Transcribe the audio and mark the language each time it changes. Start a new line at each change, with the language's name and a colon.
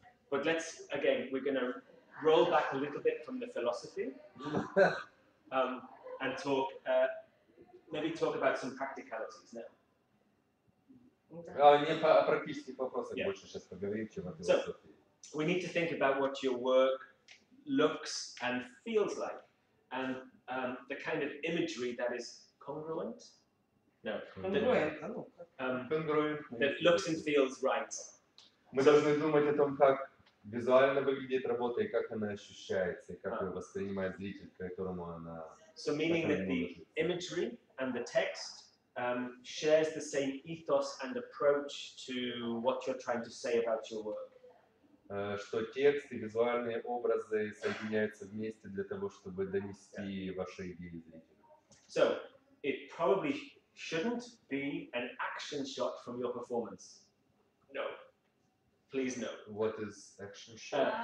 English: But let's again, we're gonna roll back a little bit from the philosophy and talk, maybe talk about some practicalities now. So, we need to think about what your work looks and feels like. and the kind of imagery that is congruent. No, congruent. That looks and feels right.
Russian: Мы должны думать о том, как визуально выглядит работа и как она ощущается, и как ее воспринимает зритель, которому она.
English: So meaning that the imagery and the text shares the same ethos and approach to what you're trying to say about your work.
Russian: Что текст и визуальные образы соединяются вместе для того, чтобы донести ваши идеи зрителю.
English: So it probably shouldn't be an action shot from your performance. No. Please no. What is action shot?